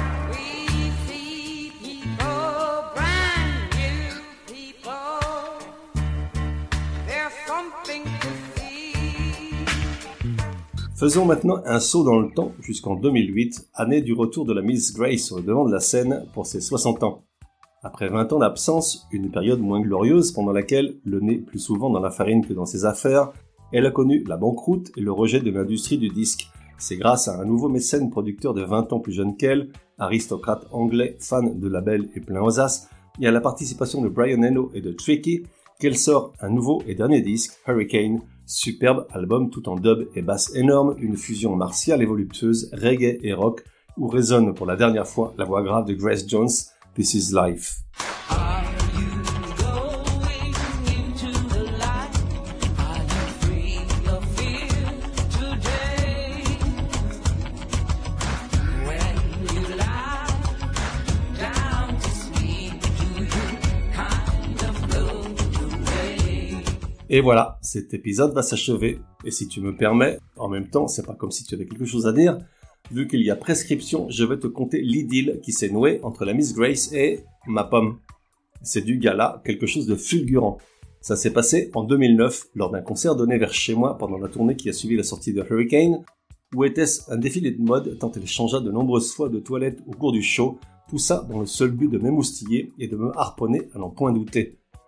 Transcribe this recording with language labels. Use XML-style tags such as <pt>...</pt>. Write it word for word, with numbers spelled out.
<en>We see people, brand new people, there's something to see.</en> <fr>Faisons maintenant un saut dans le temps jusqu'en deux mille huit, année du retour de la Miss Grey sur le devant de la scène pour ses soixante ans. Après vingt ans d'absence, une période moins glorieuse pendant laquelle, le nez plus souvent dans la farine que dans ses affaires, elle a connu la banqueroute et le rejet de l'industrie du disque. C'est grâce à un nouveau mécène producteur de vingt ans plus jeune qu'elle, aristocrate anglais, fan de labels et plein aux as, et à la participation de Brian Eno et de Tricky, qu'elle sort un nouveau et dernier disque, Hurricane, superbe album tout en dub et basse énorme, une fusion martiale et voluptueuse, reggae et rock, où résonne pour la dernière fois la voix grave de Grace Jones,</fr> <en>This is life. Are you going into the light? Are you free of fear today? When you lie down to sleep, do you kind of blow away?</en> <fr>Et voilà, cet épisode va s'achever. Et si tu me permets, en même temps, c'est pas comme si tu avais quelque chose à dire. Vu qu'il y a prescription, je vais te conter l'idylle qui s'est nouée entre la Miss Grace et ma pomme. C'est du gala, quelque chose de fulgurant. Ça s'est passé en deux mille neuf, lors d'un concert donné vers chez moi pendant la tournée qui a suivi la sortie de Hurricane, où était-ce un défilé de mode tant elle changea de nombreuses fois de toilette au cours du show, tout ça dans le seul but de m'émoustiller et de me harponner à n'en point douter.</fr>